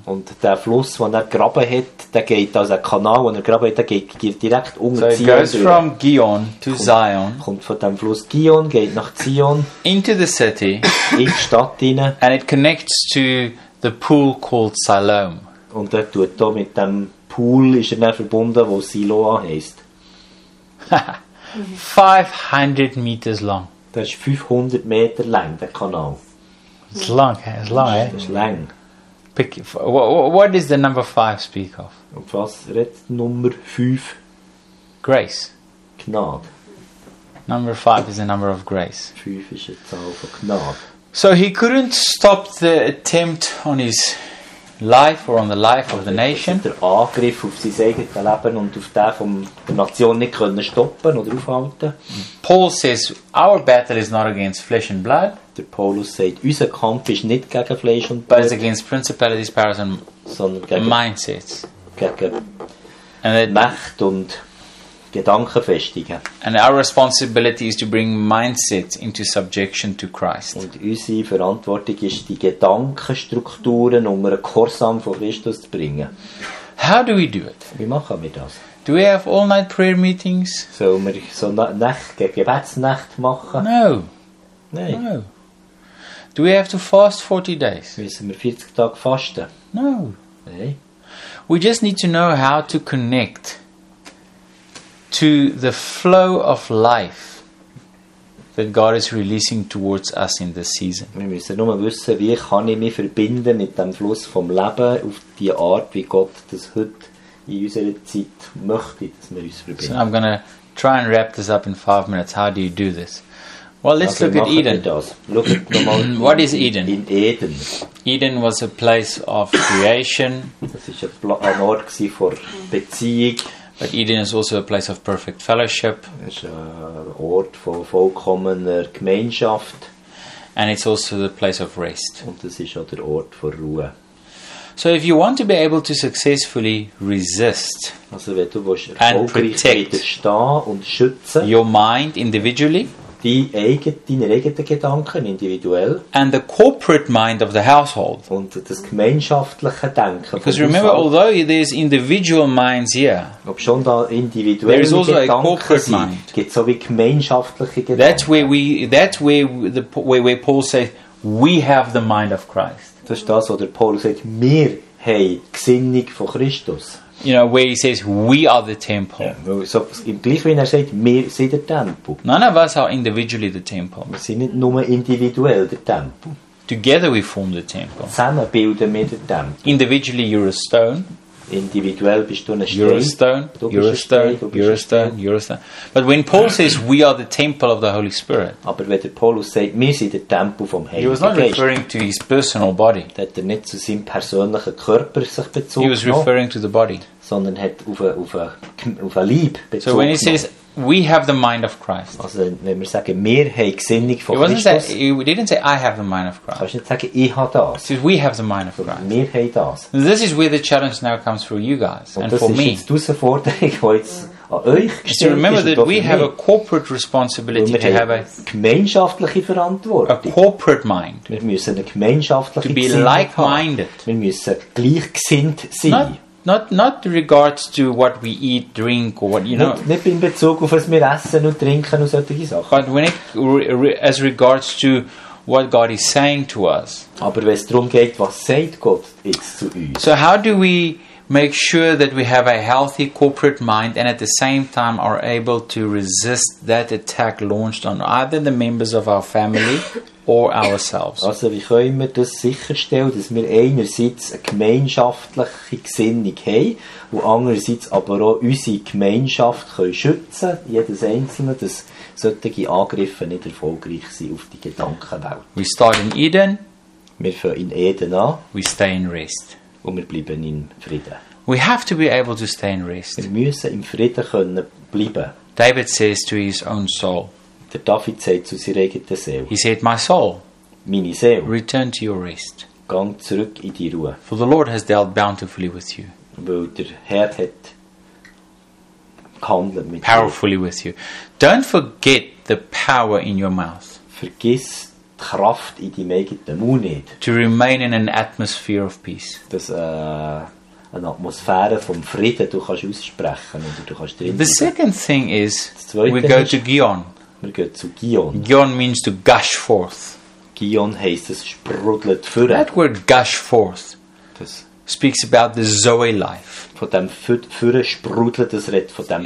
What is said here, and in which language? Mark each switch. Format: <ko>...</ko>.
<de>Und der Fluss, wo er graben hat, der geht, also ein Kanal, wo er graben hat, der geht direkt um</de> <en>Zion. So it goes from Gion to Zion.</en> <de>Kommt von dem Fluss Gion, geht nach Zion.</de> <en>Into the city.</en> <de>In die Stadt hinein.</de> <en>And it connects to the pool called Siloam.</en> <de>Und der tut da mit dem Pool, ist er dann verbunden, wo Siloam heisst.</de> <en>500 meters long.</en> <de>Das ist 500 Meter lang, der Kanal.</de> <en>It's long, eh? It's long, eh? It's long. Pick it for, what is the number 5 speak of?</en> <de>Und was redt Nummer 5?</de> <en>Grace.</en> <de>Gnade.</de> <en>Number 5 is the number of grace.</en> <de>5 ist die Zahl von Gnade.</de> <en>So he couldn't stop the attempt on his life or on the life of the nation.</en> <de>Der Angriff auf sein eigenes Leben und auf den von der Nation nicht können stoppen oder aufhalten.</de> <en>Paul says, our battle is not against flesh and blood.</en> <de>Der Paulus sagt, unser Kampf ist nicht gegen Fleisch und Blut,</de> <en>but against principalities, powers and</en> <de>sondern gegen</de> <en>mindsets.</en> <de>Gegen Macht und Gedankenfestigen.</de> <en>And our responsibility is to bring mindsets into subjection to Christ.</en> <de>Und unsere Verantwortung ist, die Gedankenstrukturen um einen Gehorsam von Christus zu bringen.</de> <en>How do we do it?</en> <de>Wie machen wir das?</de> <en>Do we have all night prayer meetings?</en> <de>Sollen wir so Gebetsnacht machen?</de> <en>No.</en> <de>Nein.</de> <en>No. Do we have to fast 40 days?</en> <de>Müssen wir 40 Tage fasten?</de> <en>No.</en> <de>Nein.</de> <en>We just need to know how to connect to the flow of life that God is releasing towards us in this season.</en> <de>Wir müssen nur wissen, wie kann ich mich verbinden mit dem Fluss vom Leben auf die Art, wie Gott das heute in unserer Zeit möchte, dass wir uns verbinden.</de> <en>So I'm going to try and wrap this up in 5 minutes. How do you do this? Well, let's</en> <de>also</de> <en>look at Eden. Look at what is Eden?</en> <de>In Eden.</de> <en>Eden was a place of creation.</en> <de>Das ist ein Ort gsi für Beziehung.</de> <en>But Eden is also a place of perfect fellowship. It's a</en> <de>Ort von vollkommener Gemeinschaft.</de> <en>And it's also the place of rest.</en> <de>Und das ist auch der Ort von Ruhe.</de> <en>So if you want to be able to successfully resist,</en> <de>also wenn du</de> <en>and protect</en> <de>und schützen,</de> <en>your mind individually,</en> <de>die deine eigenen Gedanken individuell,</de> <en>and the corporate mind of the household.</en> <de>Und das gemeinschaftliche Denken.</de> <en>Because remember, although there's individual minds here,</en> <de>ob schon da individuelle</de> <en>there's also</en> <de>Gedanken</de> <en>a corporate</en> <de>sind,</de> <en>mind.</en> <de>Gibt's so wie gemeinschaftliche Gedanken.</de> <en>That's where Paul says, we have the mind of Christ.</en> <de>Das ist das, was Paul sagt, wir haben die Gesinnung von Christus.</de> <en>You know, where he says, we are the temple. Yeah.</en> <de>So, gleich wie er sagt, wir sind der Tempel.</de> <en>None of us are individually the temple.</en> <de>Wir sind nicht nur individuell der Tempel.</de> <en>Together we form the temple.</en> <de>Zusammen bilden wir den Tempel.</de> <en>Individually you're a stone.</en> <de>Individuell bist du ein Stein.</de> <en>You're a stone, you're a stone, you're a stone, you're a stone. But when Paul says, we are the temple of the Holy Spirit,</en> <de>aber wenn der Paulus sagt, wir sind der Tempel vom Heiligen Geist,</de> <en>he was not referring to his personal body.</en> <de>Hat er nicht zu seinem persönlichen Körper sich bezogen.</de> <en>He was referring to the body.</en> <de>Sondern hat auf ein Leib bezogen.</de> <en>So when he says, we have the mind of Christ.</en> <de>Also wenn wir sagen, wir haben Gesinnung von Christus.</de> <en>He didn't say, I have the mind of Christ.</en> <de>Kannst du nicht sagen, ich habe das.</de> <en>He says, we have the mind of Christ.</en> <de>Wir haben das.</de> <en>And this is where the challenge now comes for you guys</en> <de>und</de> <en>and for me.</en> <de>Und das ist jetzt die Herausforderung, die jetzt an euch gestellt ist.</de> <en>To remember that we have a corporate responsibility to have a</en> <de>gemeinschaftliche Verantwortung.</de> <en>A corporate mind.</en> <de>Wir müssen eine gemeinschaftliche Gesinnung haben.</de> <en>To be like-minded.</en> <de>Wir müssen gleichgesinnt sein.</de> <en>Not regards to what we eat, drink, or what you know.</en> <de>Nicht in Bezug auf was wir essen und trinken und solche Sachen.</de> <en>But when it as regards to what God is saying to us.</en> <de>Aber wenn es darum geht, was sagt Gott jetzt zu uns?</de> <en>So how do we make sure that we have a healthy corporate mind and at the same time are able to resist that attack launched on either the members of our family or ourselves?</en> <de>Also wie können wir das sicherstellen, dass wir einerseits eine gemeinschaftliche Gesinnung haben und andererseits aber auch unsere Gemeinschaft können schützen, jedes Einzelne, dass solche Angriffe nicht erfolgreich sind auf die Gedankenwelt.</de> <en>We start in Eden.</en> <de>Wir fangen in Eden an.</de> <en>We stay in rest.</en> <de>Und wir bleiben in Frieden.</de> <en>We have to be able to stay in rest.</en> <de>Wir müssen im Frieden können bleiben.</de> <en>David says to his own soul.</en> <de>Der David sagt zu seiner eigenen Seele.</de> <en>He said, my soul.</en> <de>Meine Seele.</de> <en>Return to your rest.</en> <de>Gang zurück in die Ruhe.</de> <en>For the Lord has dealt bountifully with you.</en> <de>Weil der Herr hat gehandelt mit dir.</de> <en>Powerfully with you. Don't forget the power in your mouth.</en> <de>Vergiss Kraft in deinem eigenen Mund nicht.</de> <en>To remain in an atmosphere of peace.</en> <de>Das eine Atmosphäre vom Frieden, du kannst aussprechen oder du kannst drin.</de> <en>The second thing is, we go to Gion.</en> <de>Wir gehen zu Gion.</de> <en>Gion means to gush forth.</en> <de>Gion heisst, es sprudelt führen.</de> <en>That word gush forth</en> <de>das</de> <en>speaks about the Zoe life.</en> <de>Von dem führen sprudelt, das redt von dem</de>